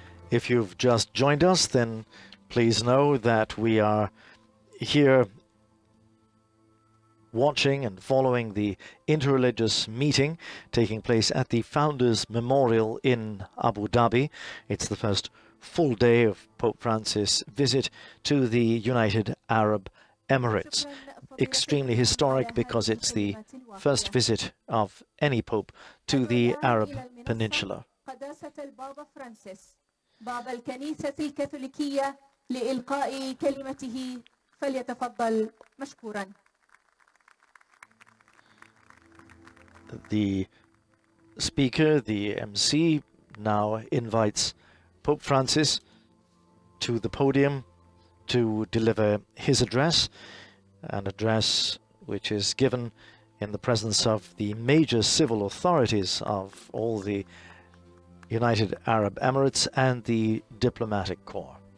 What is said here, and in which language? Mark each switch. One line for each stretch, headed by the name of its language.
English: If you've just joined us, then please know that we are here watching and following the interreligious meeting taking place at the Founders Memorial in Abu Dhabi. It's the first full day of Pope Francis' visit to the United Arab Emirates. Extremely historic because it's the first visit of any pope to the Arab Peninsula.
Arabic: قداسة البابا فرانسيس باب الكنيسة الكاثوليكية لإلقاء كلمته فليتفضل مشكورا.
English: The speaker, the MC, now invites Pope Francis to the podium to deliver his address, an address which is given in the presence of the major civil authorities of all the United Arab Emirates and the diplomatic corps.